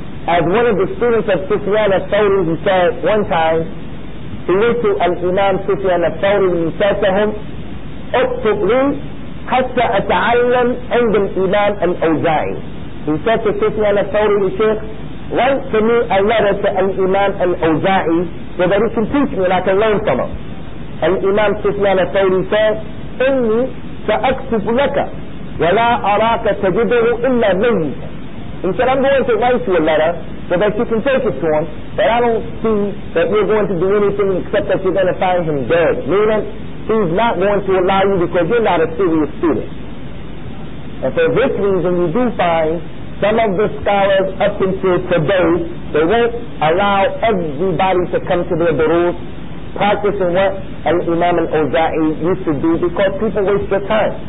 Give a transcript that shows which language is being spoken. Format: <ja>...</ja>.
<en>As one of the students of Sufyan al-Thawri, he said one time, he went to Al-Imam Sufyan al-Thawri and he said to him,</en> <ar>اكتب لي حتى أتعلم عند الإمام الأوزاعي.</ar> <en>He said to Sufyan al-Thawri, the Sheikh, write to me a letter to Al-Imam al-Awza'i so that he can teach me and I can learn from him. Al-Imam Sufyan al-Thawri said,</en> <ar>إني سأكتب لك ولا أراك تجده إلا مني.</ar> <en>He said, I'm going to write you a letter so that you can take it to him, but I don't see that you're going to do anything except that you're going to find him dead. Meaning, he's not going to allow you because you're not a serious student. And for this reason, you do find some of the scholars up until today, they won't allow everybody to come to their durus, practicing what Al-Imam al-Awza'i used to do because people waste their time.</en>